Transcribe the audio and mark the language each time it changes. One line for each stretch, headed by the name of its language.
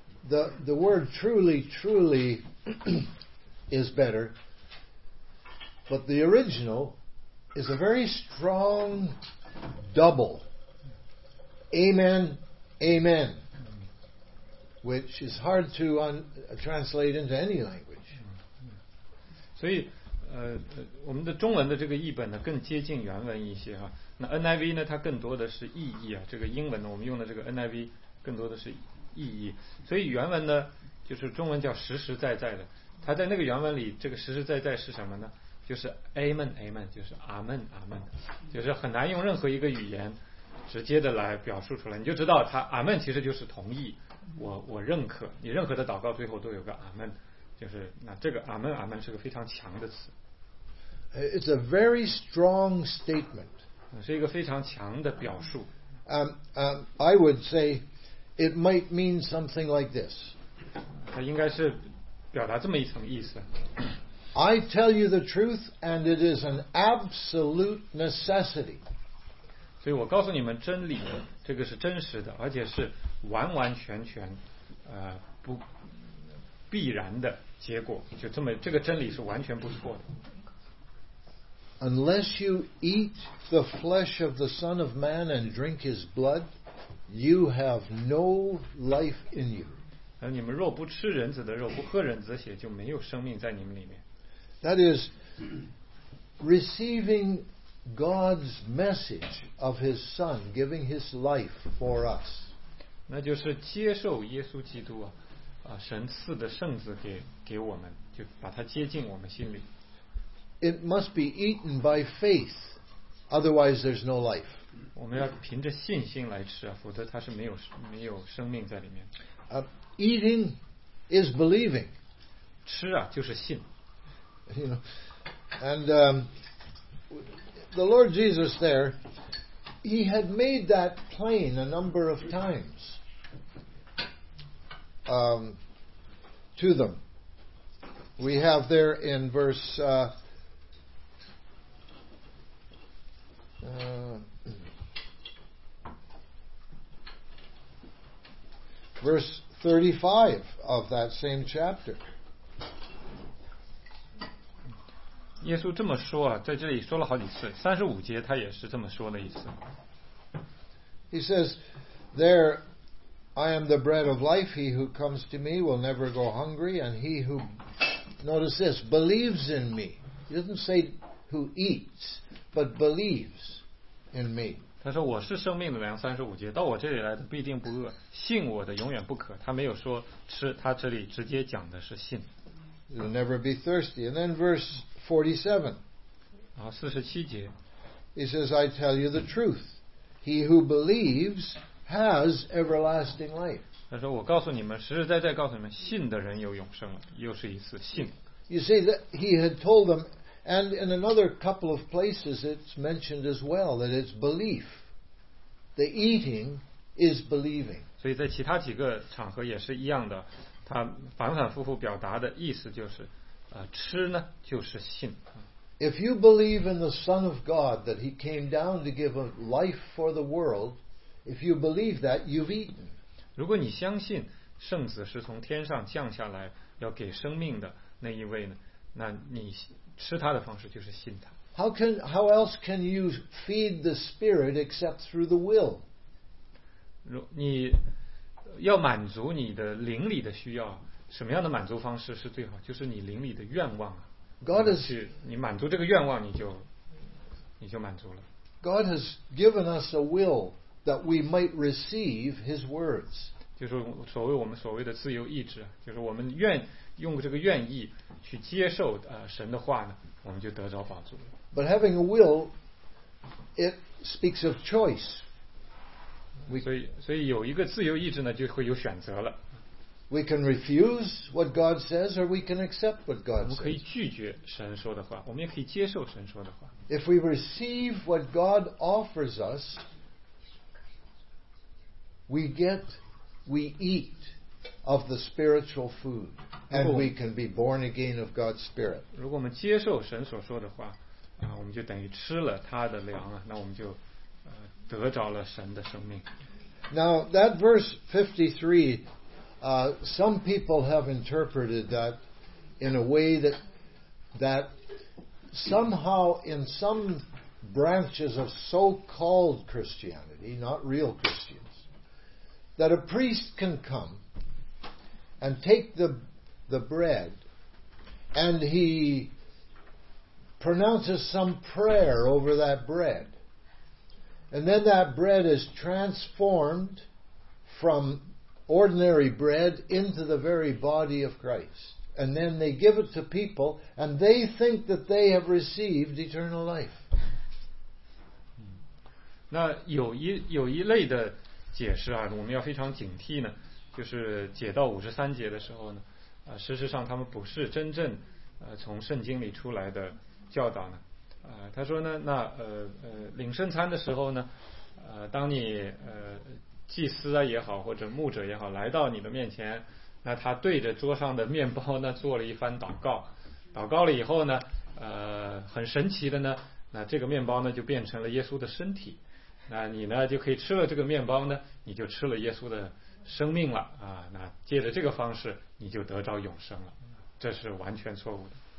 English: The word truly is better, but the original is a very strong double. Amen. Which is hard to translate into any language.
Chinese: 所以，我们的中文的这个译本呢，更接近原文一些哈。那 NIV 呢，它更多的是意义啊。这个英文呢，我们用的这个 NIV 更多的是意义。所以原文呢，就是中文叫实实在在的。它在那个原文里，这个实实在在是什么呢？就是 Amen， 就是阿门阿门，就是很难用任何一个语言直接的来表述出来。你就知道它阿门其实就是同意。我认可你任何的祷告，最后都有个阿门，就是那这个阿门是个非常强的词。
English: It's a very strong statement.
Chinese: 是一个非常强的表述。
English: I would say it might mean something like this.
Chinese: 它应该是表达这么一层意思。
English: I tell you the truth, and it is an absolute necessity.
Chinese: 所以我告诉你们真理，这个是真实的，而且是完完全全不必然的结果，就这么，这个真理是完全不错的。
English: Unless you eat the flesh of the Son of Man and drink his blood, you have no life in you.
Chinese: 你们若不吃人子的肉，不喝人子的血，就没有生命在你们里面。
English: That is receivingGod's message of His Son giving His life for us.
Chinese: 那就是接受耶稣基督啊，神赐的圣子给我们，就把它接近我们心里。
English: It must be eaten by faith, otherwise there's no life.
Chinese: 我们要凭着信心来吃啊，否则它是没有生命在里面。
English: Eating is believing.
Chinese: 吃啊就是信。
English: You know, and the Lord Jesus there, he had made that plain a number of times to them. We have there in verse 35 of that same chapter.
Chinese: 耶稣这么说啊，在这里说了好几次，三十五节他也是这么说的意思。
English: He says, "There, I am the bread of life. He who comes to me will never go hungry, and he who, notice this, believes in me." He doesn't say who eats, but believes in me.
Chinese: 他说我是生命的粮，三十五节，到我这里来的必定不饿，信我的永远不渴。他没有说吃，他这里直接讲的是信。
English: You'll never be thirsty. And then verse 47. He says, I tell you the truth. He who believes has everlasting life.
Chinese: 他说我告诉你们，实实在在告诉你们，信的人有永生了。又是一次信。
English: You see that he had told them, and in another couple of places it's mentioned as well, that it's belief. The eating is believing.
Chinese: 所以在其他几个场合也是一样的。他反反复复表达的意思就是，吃呢就是信。
English: If you believe in the Son of God that He came down to give a life for the world, if you believe that, you've eaten.
Chinese: 如果你相信圣子是从天上降下来要给生命的那一位呢，那你吃他的方式就是信他。
English: How else can you feed the Spirit except through the will?
Chinese: 如你要满足你的灵里的需要，什么样的满足方式是最好？就是你灵里的愿望啊。
English: God has,
Chinese: 你满足这个愿望，你就满足了。
English: God has given us a will that we might receive His words.
Chinese: 就是所谓我们所谓的自由意志，就是我们愿用这个愿意去接受神的话呢，我们就得着满足了。
English: But having a will, it speaks of choice.
Chinese: 所以有一个自由意志呢，就会有选择了。
English: We can refuse what God says, or we can accept what God says.
Chinese: 我们可以拒绝神说的话，我们也可以接受神说的话。
English: If we receive what God offers us, we eat of the spiritual food, and we can be born again of God's Spirit.
Chinese: 如果我们接受神所说的话，我们就等于吃了他的粮啊，那我们就。得着了神的生命。
English: Now that verse 53, some people have interpreted that in a way that somehow in some branches of so-called Christianity, not real Christians, that a priest can come and take the bread and he pronounces some prayer over that bread. And then that bread is transformed from ordinary bread into the very body of Christ. And then they give it to people, and they think that they have received eternal life.
Chinese: 那有一类的解释啊，我们要非常警惕呢，就是解到五十三节的时候呢，事实上他们不是真正从圣经里出来的教导呢。他说呢，那领圣餐的时候呢，当你祭司啊也好，或者牧者也好，来到你的面前，那他对着桌上的面包呢做了一番祷告，祷告了以后呢，很神奇的呢，那这个面包呢就变成了耶稣的身体，那你呢就可以吃了这个面包呢，你就吃了耶稣的生命了啊，那借着这个方式你就得着永生了，这是完全错误的。